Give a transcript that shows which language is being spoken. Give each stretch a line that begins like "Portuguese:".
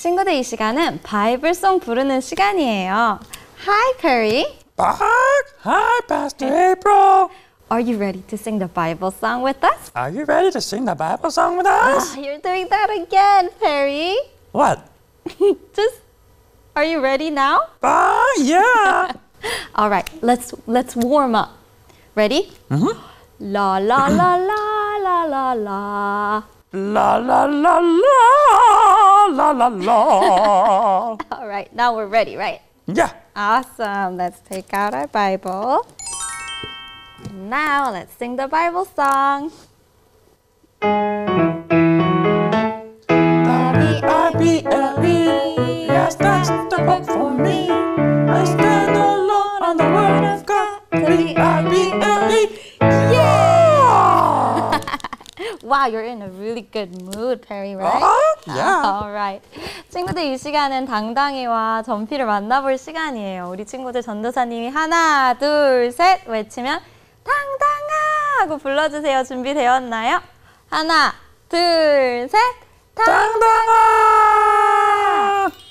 Korean: 이 시간은 바이블송 부르는 시간이에요.
English: Hi, Perry. Bug. Hi, Pastor April. Are you ready to sing the Bible song with us? Are you ready to sing the Bible song with us? Oh, you're doing that again, Perry. What? Just, are you ready now? Yeah. All right, let's warm up. Ready? La la la la la la la. La la la la la la la. All right, now we're ready, right? Yeah. Awesome. Let's take out our Bible. Now let's sing the Bible song. B-I-B-L-E. Yes, that's the book for me. I stand alone on the word of God. B-I-B-L-E. Wow, you're in a really good mood, Perry, right? Yeah. All right.
Korean: 친구들, 이 시간은 당당이와 점피를 만나볼 시간이에요. 우리 친구들 전도사님이 하나, 둘, 셋 외치면 당당아 하고 불러주세요. 준비되었나요? 하나, 둘, 셋. 당당아!